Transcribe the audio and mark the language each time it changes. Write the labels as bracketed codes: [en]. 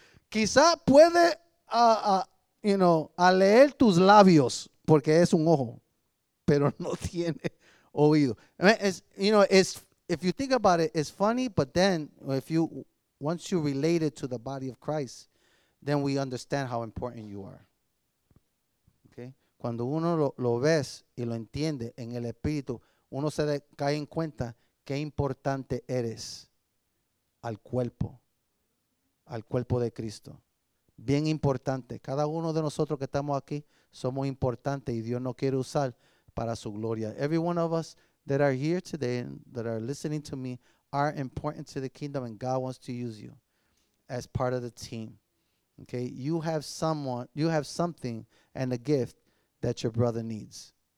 [es] Quizá puede, you know, a leer tus labios, porque es un ojo, pero no tiene oído. [en] It's, you know, it's, if you think about it, it's funny, but then if you, once you relate it to the body of Christ, then we understand how important you are. Okay? [es] Cuando uno lo ves y lo entiende en el espíritu, uno se cae en cuenta qué importante eres al cuerpo de Cristo. Bien importante. Cada uno de nosotros que estamos aquí somos importantes y Dios nos quiere usar para su gloria. [en] Every one of us that are here today and that are listening to me are important to the kingdom, and God wants to use you as part of the team. Okay, you have someone, you have something and a gift that your brother needs.